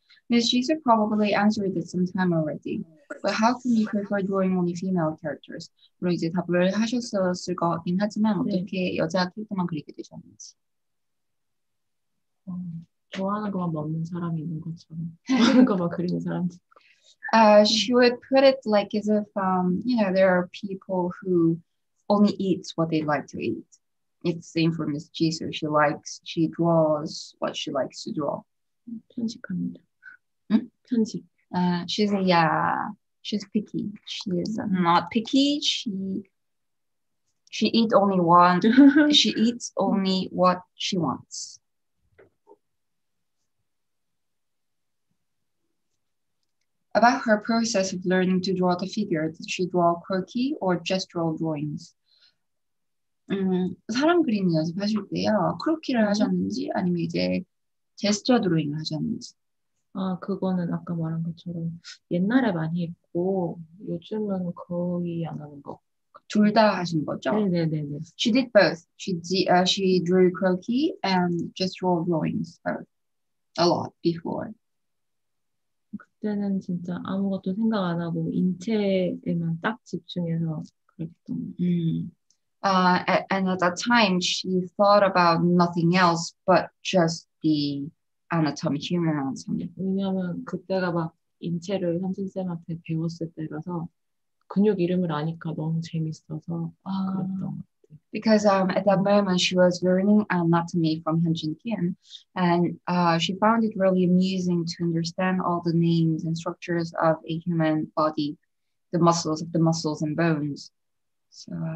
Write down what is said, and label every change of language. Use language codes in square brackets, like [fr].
[en] Miss Jisoo probably answered it sometime already. But how can you prefer drawing only female characters? [ko] 물론 이제 답을 하셨을 것 같긴 하지만 어떻게 네. 여자 캐릭터만 그리게 되셨는지. 좋아하는 것만 먹는 사람이 있는 것처럼 좋아하는 것만 그리는 사람. [en] She would put it like as if you know there are people who only eat what they like to eat. It's the same for Miss Jisoo. She likes she draws what she likes to draw. [ko] 편집합니다. 응? 편집. [en] She's a yeah. She's picky. She is not picky. She eats only one. She eats only what she wants. About her process of learning to draw the figure, did she draw quirky or gestural drawings? [ko] 사람 그림 연습하실 때요, 크로키를 하셨는지 아니면 이제 제스처 드로잉을 하셨는지. 아, 그거는 아까 말한 것처럼 옛날에 많이 했고 요즘은 거의 안 하는 거. 둘 다 하신 거죠? 네, 네, 네. [en] She did both. She drew quirky and gestural drawings a lot before. [ko] 그때는 진짜 아무것도 생각 안 하고 인체에만 딱 집중해서 그랬던 거. [en] And at that time, she thought about nothing else but just the anatomy, human anatomy. [ko] 왜냐면 그때가 막 인체를 현진쌤한테 배웠을 때라서 근육 이름을 아니까 너무 재밌어서 그랬던 것 같아요. [en] Because at that moment, she was learning anatomy from Hyunjin Kim, and she found it really amusing to understand all the names and structures of a human body, the muscles of the muscles and bones. So.